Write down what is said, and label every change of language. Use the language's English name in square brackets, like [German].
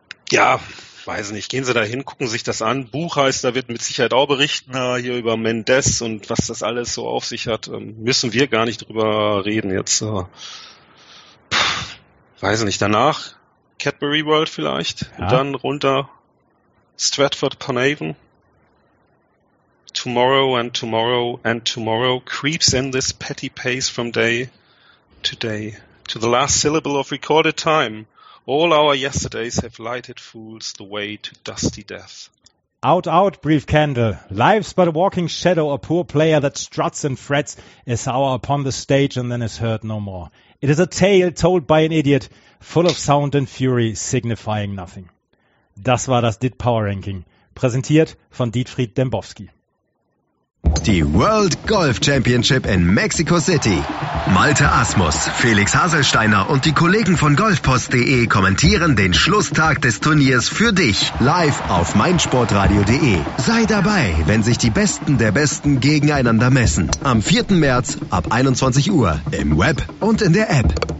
[German] Ja, weiß nicht, gehen Sie da hin, gucken sich das an. Buchheister wird mit Sicherheit auch berichten, hier über Mendes und was das alles so auf sich hat. Müssen wir gar nicht drüber reden jetzt. Weiß nicht, danach Cadbury World vielleicht, ja. Und dann runter Stratford-upon-Avon. [English] Tomorrow and tomorrow and tomorrow creeps in this petty pace from day to day to the last syllable of recorded time. All our yesterdays have lighted fools the way to dusty death. Out, out, brief candle. Life's but a walking shadow, a poor player that struts and frets, is hour upon the stage and then is heard no more. It is a tale told by an idiot, full of sound and fury, signifying nothing. [German] Das war das DIT Power Ranking, präsentiert von Dietfried Dembowski. Die World Golf Championship in Mexico City. Malte Asmus, Felix Haselsteiner und die Kollegen von golfpost.de kommentieren den Schlusstag des Turniers für dich live auf meinsportradio.de. Sei dabei, wenn sich die Besten der Besten gegeneinander messen. Am 4. März ab 21 Uhr im Web und in der App.